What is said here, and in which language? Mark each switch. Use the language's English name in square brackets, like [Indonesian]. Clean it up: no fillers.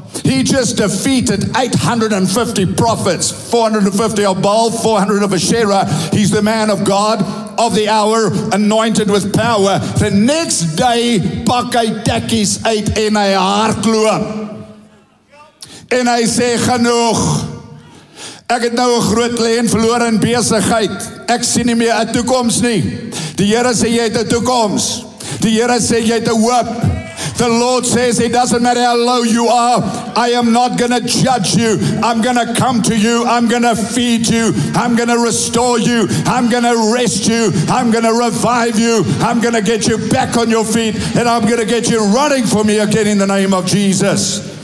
[English] He just defeated 850 prophets, 450 of Baal, 400 of Asherah. He's the man of God of the hour, anointed with power. The next day, Pakaitakis ate in a hartloop. [Afrikaans] En hy sê, genoeg. Ek het nou 'n groot klein verloor in besigheid. Ek sien nie meer 'n toekoms nie. Die Here sê jy het 'n toekoms. Die Here sê jy het 'n hoop. [English] The Lord says, it doesn't matter how low you are, I am not going to judge you. I'm going to come to you. I'm going to feed you. I'm going to restore you. I'm going to rest you. I'm going to revive you. I'm going to get you back on your feet and I'm going to get you running for me again in the name of Jesus.